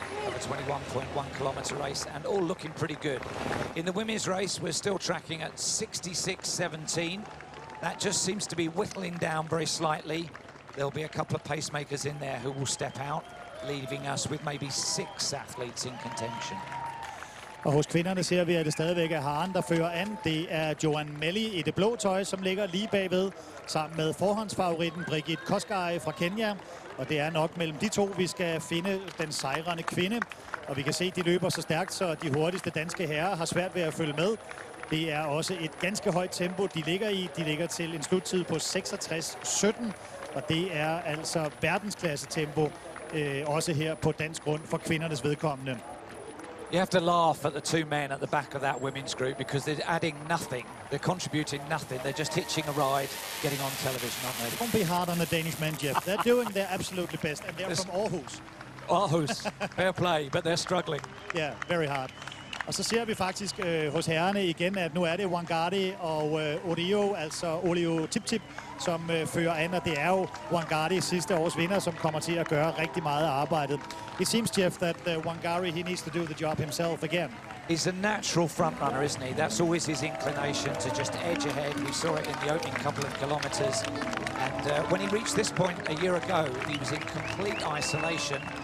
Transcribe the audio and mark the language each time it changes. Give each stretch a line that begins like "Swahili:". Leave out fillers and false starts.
English: 21.1 kilometer race, and all looking pretty good. In the women's race, we're still tracking at 66.17. That just seems to be whittling down very slightly. There'll be a couple of pacemakers in there who will step out, leaving us with maybe six athletes in contention.
Danish: Og hos kvinderne ser vi, at det stadigvæk er Haren, der fører an. Det er Joanne Melli i det blå tøj, som ligger lige bagved, sammen med forhåndsfavoritten Brigitte Kosgei fra Kenya. Og det er nok mellem de to, vi skal finde den sejrende kvinde. Og vi kan se, at de løber så stærkt, så de hurtigste danske herrer har svært ved at følge med. Det er også et ganske højt tempo, de ligger i. De ligger til en sluttid på 66.17, og det er altså verdensklasse-tempo, også her på dansk grund for kvindernes vedkommende.
English: You have to laugh at the two men at the back of that women's group, because they're adding nothing. They're contributing nothing. They're just hitching a ride, getting on television, aren't they? Don't be hard on the Danish men, Jeff. They're doing their absolutely best, and they're from Aarhus. Aarhus. Fair play, but they're struggling. Yeah, very hard.
Danish: Og så ser vi faktisk hos herrerne igen, at nu er det Wangari og Orio, altså Olio Tip-Tip, som fører an, og det er jo Wangari, sidste års vinder, som kommer til at gøre rigtig meget arbejde.
English: It seems, Jeff, that Wangari, he needs to do the job himself again. He's a natural frontrunner, isn't he? That's always his inclination, to just edge ahead. We saw it in the opening couple of kilometers. And when he reached this point a year ago, he was in complete isolation.